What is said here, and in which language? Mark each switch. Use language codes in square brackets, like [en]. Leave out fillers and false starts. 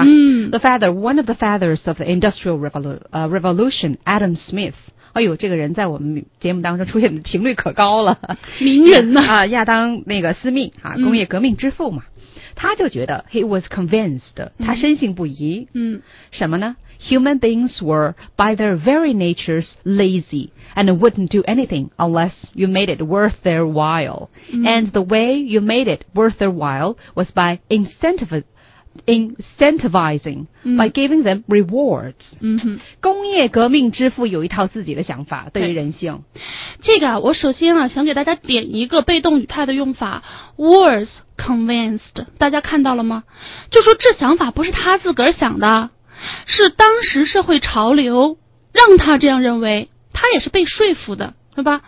[en] The feather, one of the feathers of the industrial revolution, Adam Smith。 [zh] 哎呦，这个人在我们节目当中出现的频率可高了，名人呐！啊，亚当那个斯密啊，工业革命之父嘛，他就觉得 [en] he was convinced， [zh] 他深信不疑。什么呢 [en] ？Human beings were by their very natures lazy and wouldn't do anything unless you made it worth their while. And the way you made it worth their while was by incentivizing by giving them rewards。 [zh] 工业革命之父有一套自己的想法对于人性。这个我首先啊想给大家点一个被动语态的用法， [en] was convinced， [zh] 大家看到了吗？就说这想法不是他自个儿想的，是当时社会潮流让他这样认为，他也是被说服的，对吧？